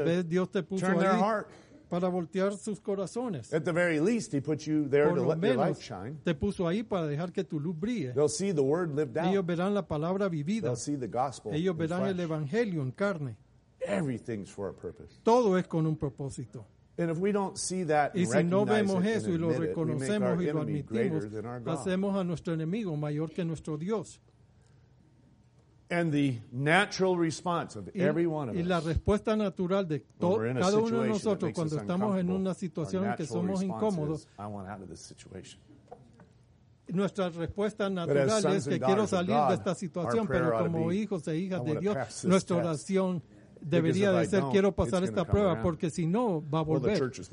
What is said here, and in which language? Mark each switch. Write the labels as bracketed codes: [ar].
[es] Tal vez Dios te puso ahí para voltear sus corazones. [en] At the very least, he put you there to let your light shine. [es] Te puso ahí para dejar que tu luz brille. [en] They'll see the word lived out. [es] Ellos verán la palabra vivida. [en] They'll see the gospel. [es] Ellos verán el evangelio en carne. [en] Everything's for a purpose. [es] Todo es con un propósito. [en] And if we don't see that and [es] si no vemos eso [en] and [es] y lo reconocemos y lo admitimos, hacemos a nuestro enemigo mayor que nuestro Dios. [en] And the natural response of every one of us. [es] Y la respuesta natural de cada uno de nosotros cuando estamos en una situación en que somos incómodos. [en] I want out of this situation. [es] Nuestra respuesta natural es que quiero salir de esta situación, pero como hijos e hijas de Dios, nuestra oración debería de ser, quiero pasar esta prueba, porque si no, va a volver.